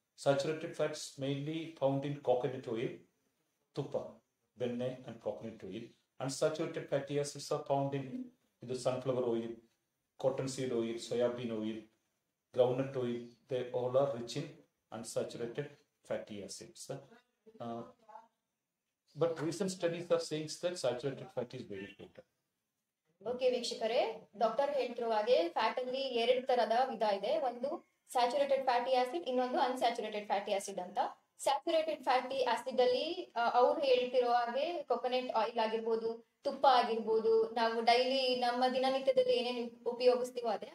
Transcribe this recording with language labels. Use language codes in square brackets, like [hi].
[en] Saturated fats mainly found in coconut oil, tuppa, benne and coconut oil. Unsaturated fatty acids are found in ಇದು sunflower oil, cotton seed oil, soybean oil, groundnut oil. They all are rich in unsaturated fatty acids. But recent studies are saying that saturated fat is very good. [kn] Okay, Vikshikare. Doctor ಹೇಳ್ತಿರೋ ಹಾಗೆ fat ಅಲ್ಲಿ ಎರಡು ತರದ ವಿಧ ಇದೆ, ಒಂದು saturated fatty acid, ಇನ್ನೊಂದು unsaturated fatty acid ಅಂತ. ಸ್ಯಾಚುರೇಟೆಡ್ ಫ್ಯಾಟಿ ಆಸಿಡ್ ಅಲ್ಲಿ ಅವ್ರು ಹೇಳ್ತಿರೋ ಹಾಗೆ ಕೊಕೊನೆಟ್ ಆಯಿಲ್ ಆಗಿರ್ಬೋದು, ತುಪ್ಪ ಆಗಿರ್ಬೋದು, ನಾವು ಡೈಲಿ ನಮ್ಮ ದಿನನಿತ್ಯದಲ್ಲಿ ಏನೇನು ಉಪಯೋಗಿಸ್ತೀವೋ ಅದೇ.